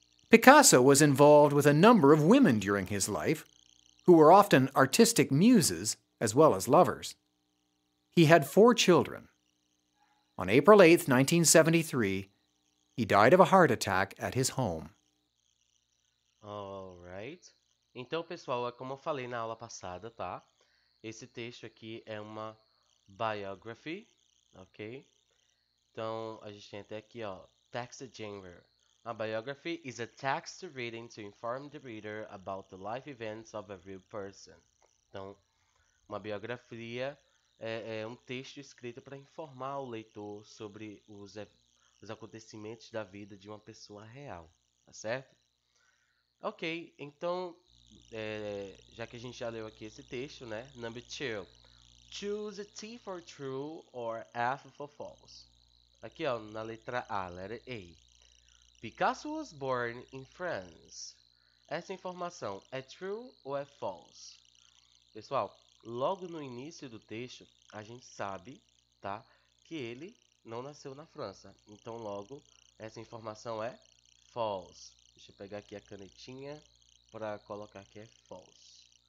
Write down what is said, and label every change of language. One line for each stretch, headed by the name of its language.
English: Picasso was involved with a number of women during his life, who were often artistic muses as well as lovers. He had four children. On April 8, 1973, he died of a heart attack at his home. Alright.
Portuguese: Então, pessoal, é como eu falei na aula passada, tá? Esse texto aqui é uma biography, ok? Então, a gente tem até aqui, ó, text genre.
English: A biography is a text reading to inform the reader about the life events of a real person.
Portuguese: Então, uma biografia é um texto escrito para informar o leitor sobre os acontecimentos da vida de uma pessoa real, tá certo? Ok, então, já que a gente já leu aqui esse texto, né?
English: Number two. Choose a T for true or F for false.
Portuguese: Aqui, ó, na letra A, letra A.
English: Picasso was born in France.
Portuguese: Essa informação é true ou é false? Pessoal, logo no início do texto, a gente sabe, tá, que ele não nasceu na França. Então, logo, essa informação é false. Deixa eu pegar aqui a canetinha para colocar que é false.